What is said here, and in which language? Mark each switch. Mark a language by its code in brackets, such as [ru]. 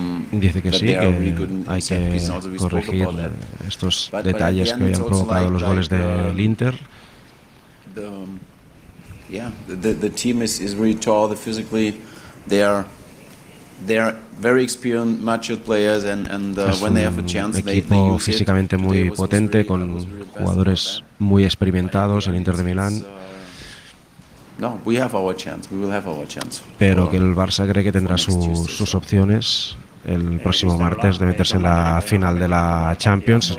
[es] Dice que sí, que hay que corregir estos detalles que han provocado los goles del Inter. [en] The team is really tall, the physically they are very experienced, mature players, and when they have a chance, they use it. [es] Equipo físicamente muy potente, con jugadores muy experimentados, el Inter de Milán. [en] No, we have our chance. We will have our chance. [es] Pero que el Barça cree que tendrá sus opciones el próximo martes de meterse en la final de la Champions.